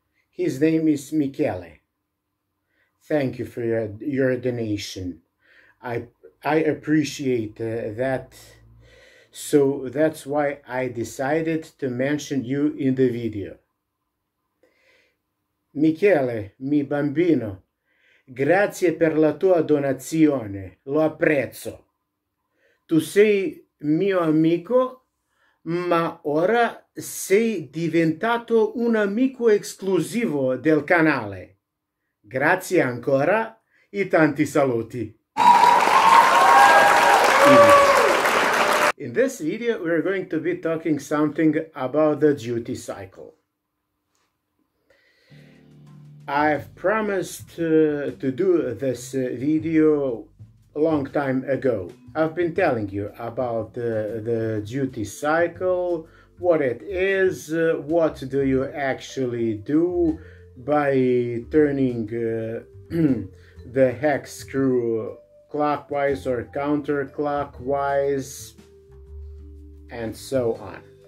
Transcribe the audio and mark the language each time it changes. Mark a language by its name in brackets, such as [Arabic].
[English] His name is Michele. Thank you for your donation. I appreciate that. So that's why I decided to mention you in the video. [Italian] Michele, mi bambino, grazie per la tua donazione, lo apprezzo. Tu sei mio amico, ma ora sei diventato un amico esclusivo del canale. Grazie ancora e tanti saluti. [English] In this video, we're going to be talking something about the duty cycle. I've promised to do this video a long time ago. I've been telling you about the duty cycle, what it is, what do you actually do by turning the hex screw clockwise or counterclockwise, and so on.